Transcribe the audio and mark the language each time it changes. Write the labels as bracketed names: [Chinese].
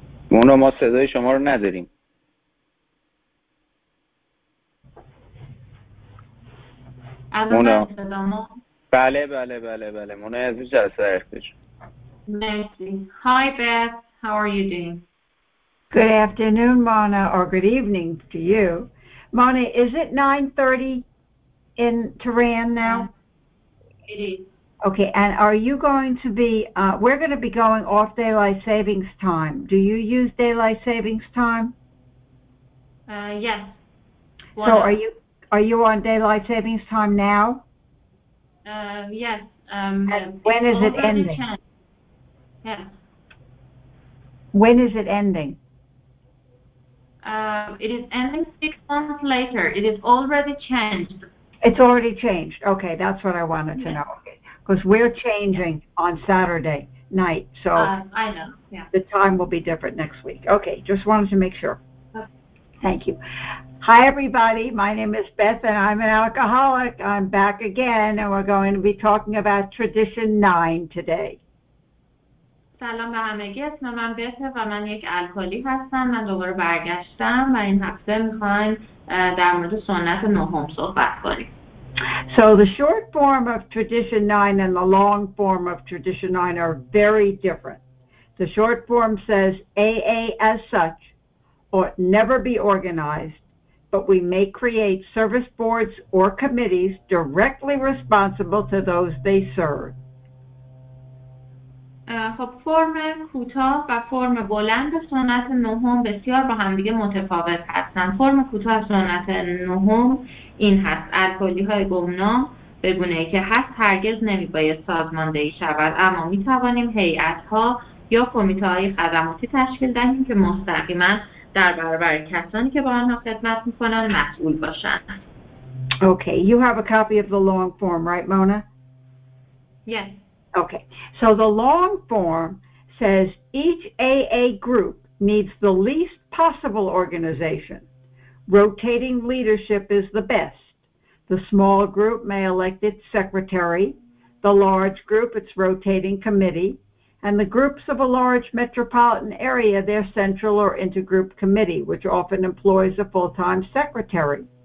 [Persian] مونا، ما صدای شما رو نداریم. مونا؟ بله. مونا عزیز، جلسه در اختیار شما. [English] Hi Beth, how are you doing? Good afternoon, Mona, or good evening to you. Mona, is it 9:30 in Tehran now? It is. Okay, and are you going to be, we're going to be going off daylight savings time. Do you use daylight savings time? Yes. One so are you on daylight savings time now? Yes. When is it ending? Yeah. When is it ending? It is ending 6 months later. It is already changed. It's already changed. Okay, that's what I wanted to know. Because we're changing on Saturday night. So I know. Yeah. The time will be different next week. Okay, just wanted to make sure. Thank you. Hi, everybody. My name is Beth, and I'm an alcoholic. I'm back again, and we're going to be talking about Tradition 9 today. [Persian] سلام به همگی، اسم من بهته و من یک الکلی هستم. من دوباره برگشتم و این هفته میخوایم در مورد سنت نهم صحبت کنیم. [English] So the short form of tradition 9 and the long form of tradition 9 are very different. The short form says AA as such ought never be organized, but we may create service boards or committees directly responsible to those they serve. [Persian] خب فرم کوتاه و فرم بلند سنت نهم بسیار با همدیگه متفاوت هستند. فرم کوتاه سنت نهم این هست: الکلی های گمنام به گونه‌ای که هست هرگز نمیباید سازماندهی شود، اما میتوانیم هیئت ها یا کمیته های خدماتی تشکیل دهیم که مستقیما در برابر کسانی که با آنها خدمت میکنند مسئول باشند. [English] Okay, you have a copy of the long form, right, Mona? Yes. Okay, so the long form says each AA group needs the least possible organization. Rotating leadership is the best. The small group may elect its secretary, the large group its rotating committee, and the groups of a large metropolitan area their central or intergroup committee, which often employs a full-time secretary.